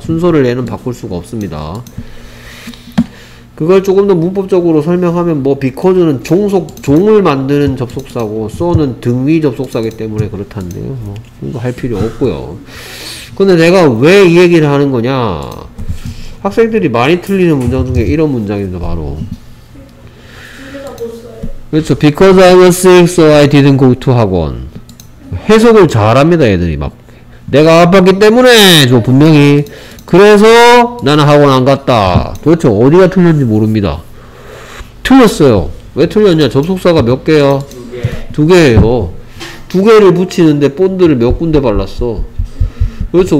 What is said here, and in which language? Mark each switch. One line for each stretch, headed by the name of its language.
Korean: 순서를 얘는 바꿀 수가 없습니다. 그걸 조금 더 문법적으로 설명하면 뭐 because는 종속, 종을 만드는 접속사고 so는 등위 접속사기 때문에 그렇다는데요. 뭐 이거 할 필요 없고요. 근데 내가 왜 이 얘기를 하는 거냐? 학생들이 많이 틀리는 문장 중에 이런 문장입니다. 바로 그렇죠.
English: Because I was sick so I didn't go to 학원.
Korean: 해석을 잘합니다. 애들이 막 내가 아팠기 때문에 저 분명히 그래서 나는 학원 안 갔다. 도대체 어디가 틀렸는지 모릅니다. 틀렸어요. 왜 틀렸냐? 접속사가 몇 개야? 두 개. 두 개예요. 두 개를 붙이는데 본드를 몇 군데 발랐어. 그렇죠.